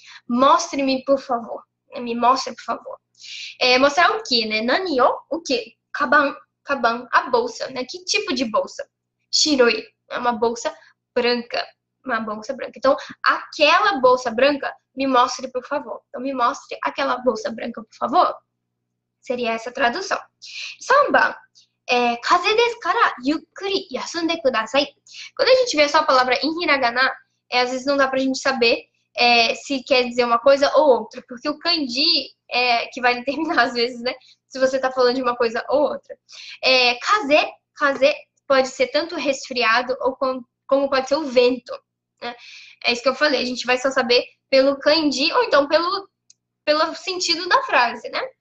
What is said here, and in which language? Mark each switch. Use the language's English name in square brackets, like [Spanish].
[Portuguese] Mostre-me, por favor. Me mostre, por favor. Mostrar o quê, né? [Japanese] Nani o? [Portuguese] O quê? Kabão. Caban, a bolsa, né? Que tipo de bolsa? Shiroi, é uma bolsa branca. Uma bolsa branca. Então, aquela bolsa branca, me mostre, por favor. Então, me mostre aquela bolsa branca, por favor. Seria essa tradução. [Japanese] 3 番、風ですからゆっくり休んでください。 [Portuguese] Quando a gente vê só a palavra em hiragana, às vezes não dá pra gente saber se quer dizer uma coisa ou outra, porque o kanji que vai determinar às vezes, né? Se você tá falando de uma coisa ou outra. Kaze pode ser tanto resfriado ou como pode ser o vento, né? É isso que eu falei, a gente vai só saber pelo kanji ou então pelo sentido da frase, né?